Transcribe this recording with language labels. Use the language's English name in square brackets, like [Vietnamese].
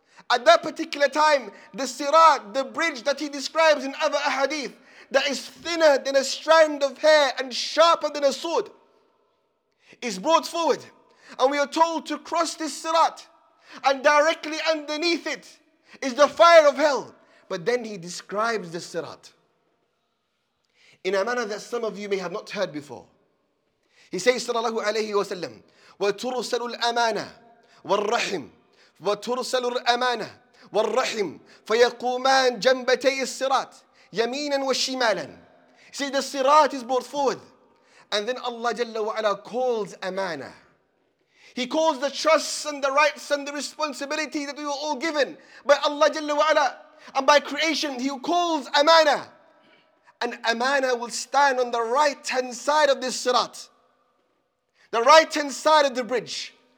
[English] At that particular time, the sirat, the bridge that he describes in other ahadith, that is thinner than a strand of hair and sharper than a sword, is brought forward. And we are told to cross this sirat, and directly underneath it is the fire of hell. But then he describes the sirat in a manner that some of you may have not heard before. [Arabic] He says, sallallahu alayhi wa sallam, وَتُرْسَلُ الْأَمَانَةِ وَالرَّحِمِ وَتُرْسَلُ الْأَمَانَةِ وَالرَّحِمِ فَيَقُومَانْ جَنْبَتَيِ السِّرَاتِ يَمِينًا وَشِمَالًا. [English] He says, the sirat is brought forward. And then Allah Jalla wa Ala calls amana. He calls the trusts and the rights and the responsibility that we were all given by Allah Jalla wa Ala and by creation. He calls amana. And amana will stand on the right hand side of this sirat, the right hand side of the bridge.